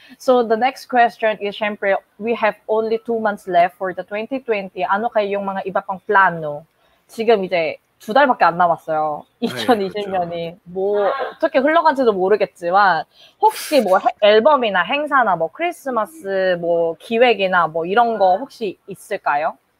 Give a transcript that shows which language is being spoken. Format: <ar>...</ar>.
<en>So the next question is,</en> <tl>syempre,</tl> <en>we have only 2 months left for the 2020.</en> <tl>Ano kayo yung mga iba pang plano?</tl> <ko>지금 이제 두 달밖에 안 남았어요. 2020년이 그렇죠. 뭐 어떻게 흘러간지도 모르겠지만 혹시 뭐 앨범이나 행사나 뭐 크리스마스 뭐 기획이나 뭐 이런 거 혹시 있을까요?</ko>